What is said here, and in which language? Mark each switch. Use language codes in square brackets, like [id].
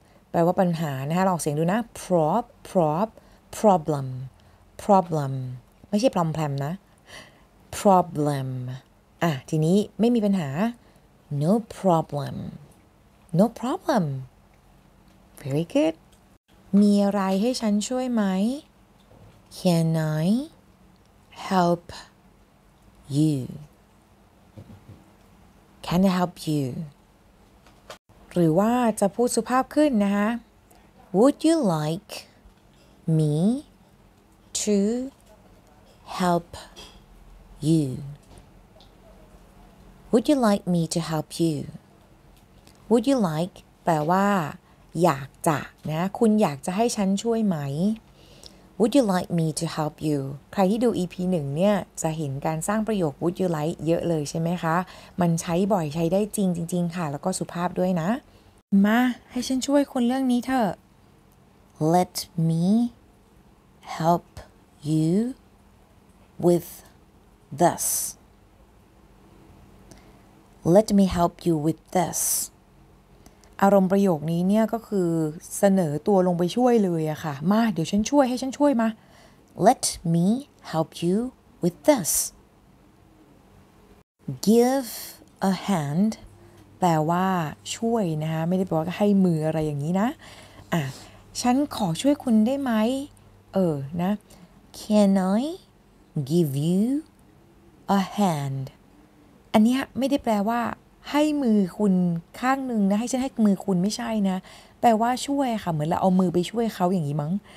[th] แปลว่าปัญหานะคะลองเสียงดูนะ [en] prop prop problem problem [th] ไม่ใช่พรอมแพรมนะ [en] problem [th] อ่ะทีนี้ไม่มีปัญหา [en] no problem no problem very good [th] มีอะไรให้ฉันช่วยไหม [en] can I help you can I help you [th] หรือว่าจะพูดสุภาพขึ้นนะคะ [en] Would you like me to help you? Would you like me to help you? Would you like [th] แปลว่าอยากจะนะคุณอยากจะให้ฉันช่วยไหม [en] Would you like me to help you [th] ใครที่ดู EP 1เนี่ยจะเห็นการสร้างประโยค Would you like เยอะเลยใช่ไหมคะมันใช้บ่อยใช้ได้จริงจริงค่ะแล้วก็สุภาพด้วยนะ มาให้ฉันช่วยคุณเรื่องนี้เถอะ [en] Let me help you with this Let me help you with this [th] อารมณ์ประโยคนี้เนี่ยก็คือเสนอตัวลงไปช่วยเลยอะค่ะมาเดี๋ยวฉันช่วยให้ฉันช่วยมา [en] Let me help you with this Give a hand [th] แปลว่าช่วยนะคะไม่ได้แปลว่าให้มืออะไรอย่างนี้นะอ่ะฉันขอช่วยคุณได้ไหมเออนะ [en] Can I give you a hand [th] อันนี้ไม่ได้แปลว่าให้มือคุณข้างหนึ่งนะให้ฉันให้มือคุณไม่ใช่นะแปลว่าช่วยค่ะเหมือนเราเอามือไปช่วยเขาอย่างนี้มั้ง